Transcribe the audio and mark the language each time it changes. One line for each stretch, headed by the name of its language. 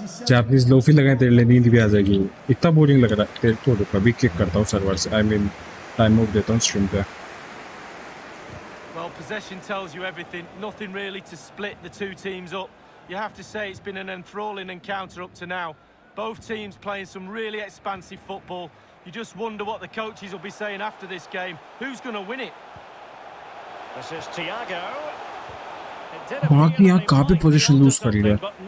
Hindi: Japanese lofi लगाए तेरे लिए, नींद भी आ जाएगी। इतना बोरिंग लग रहा है तेरे को, तो अभी किक करता हूँ सर्वर से, आई मीन टाइम आउट देता हूँ स्ट्रीम पे।
English: Well, possession tells you everything. Nothing really to split the two teams up. You have to say it's been an enthralling encounter up to now. Both teams playing some really expansive football. You just wonder what the coaches will be saying after this game. Who's going to win it? This is Thiago.
Hindi: बाकी यहाँ काफी position loose कर लिया,